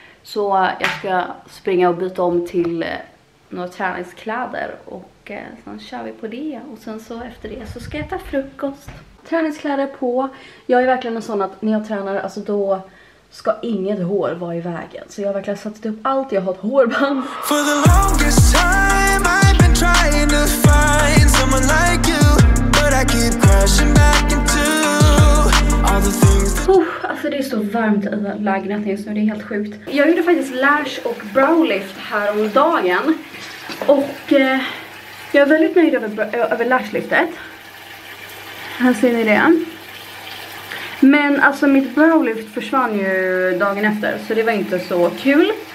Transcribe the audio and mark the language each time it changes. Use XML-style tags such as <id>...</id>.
<sv>Så jag ska springa och byta om till några träningskläder och sen kör vi på det, och sen så efter det så ska jag äta frukost. Träningskläder på. Jag är verkligen en sån att när jag tränar, alltså då ska inget hår vara i vägen. Så jag har verkligen satt upp allt, jag har ett hårband.</sv> <en>For the longest time I've been trying to find someone like you, but I keep crashing back into all the things.</en> <sv>Alltså det är så varmt i lägenheten just nu, det är helt sjukt. Jag gjorde faktiskt lash och brow lift här om dagen. Och jag är väldigt nöjd över lash liftet. Här ser ni det. Men alltså mitt brow lift försvann ju dagen efter, så det var inte så kul.</sv>